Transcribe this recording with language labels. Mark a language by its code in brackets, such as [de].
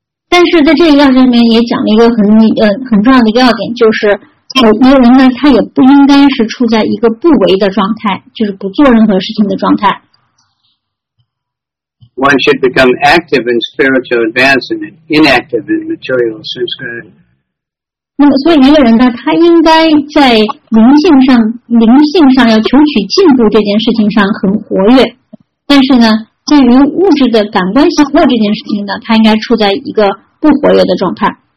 [zh] 但是在这一段里面也讲了一个很重要的要点，就是一个人呢，他也不应该是处在一个不为的状态，就是不做任何事情的状态。 [en] One should become active in spiritual advancement and inactive in material sense. [zh] 那么，所以一个人呢，他应该在灵性上要求取进步这件事情上很活跃，但是呢，对于物质的感官享乐这件事情呢，他应该处在一个不活跃的状态。